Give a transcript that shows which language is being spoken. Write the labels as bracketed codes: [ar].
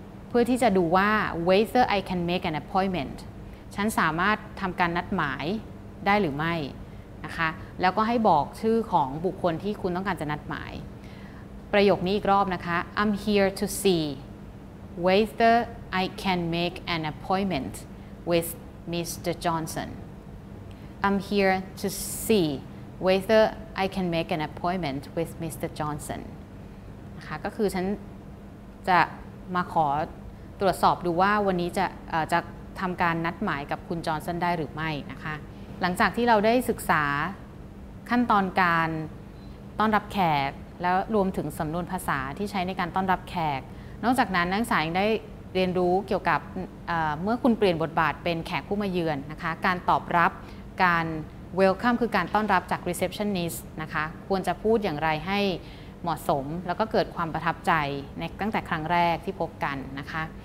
[th] พื่อที่จะดูว่า [en] whether I can make an appointment [th] ฉันสามารถทำการนัดหมายได้หรือไม่นะคะแล้วก็ให้บอกชื่อของบุคคลที่คุณต้องการจะนัดหมายประโยคนี้อีกรอบนะคะ [en] I'm here to see whether I can make an appointment with Mr. Johnson I'm here to see whether I can make an appointment with Mr. [th] Johnson นะคะก็คือฉันจะมาขอตรวจสอบดูว่าวันนี้จะทำการนัดหมายกับคุณจอห์นสันได้หรือไม่นะคะหลังจากที่เราได้ศึกษา ขั้นตอนการต้อนรับแขกแล้วรวมถึงสำนวนภาษาที่ใช้ในการต้อนรับแขกนอกจากนั้นนักศึกษายังได้เรียนรู้เกี่ยวกับเมื่อคุณเปลี่ยนบทบาทเป็นแขกผู้มาเยือนนะคะการตอบรับการ welcome คือการต้อนรับจาก receptionist นะคะควรจะพูดอย่างไรให้เหมาะสมแล้วก็เกิดความประทับใจในตั้งแต่ครั้งแรกที่พบกันนะคะ